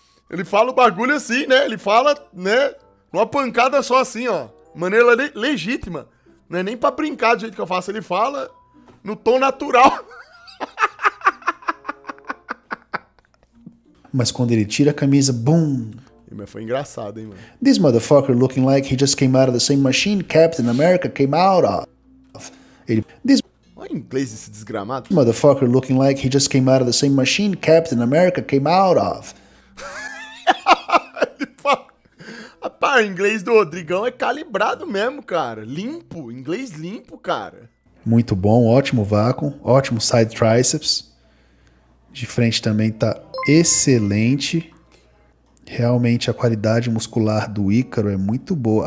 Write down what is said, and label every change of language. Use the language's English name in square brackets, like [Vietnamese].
[Portuguese] Ele fala o bagulho assim, né? Ele fala, né? Uma pancada só assim, ó. Maneira legítima. Não é nem pra brincar do jeito que eu faço. Ele fala no tom natural. Mas quando ele tira a camisa, bum... Mas foi engraçado, hein, mano? [English] This motherfucker looking like he just came out of the same machine Captain America came out of. [Portuguese] Ele... [English] This... [Portuguese] Olha o inglês desse desgramado. [English] This motherfucker looking like he just came out of the same machine Captain America came out of. [Portuguese] Ele fala... Rapaz, o inglês do Rodrigão é calibrado mesmo, cara. Limpo, inglês limpo, cara. Muito bom, ótimo vácuo, ótimo side triceps. De frente também tá excelente. Realmente a qualidade muscular do Ícaro é muito boa.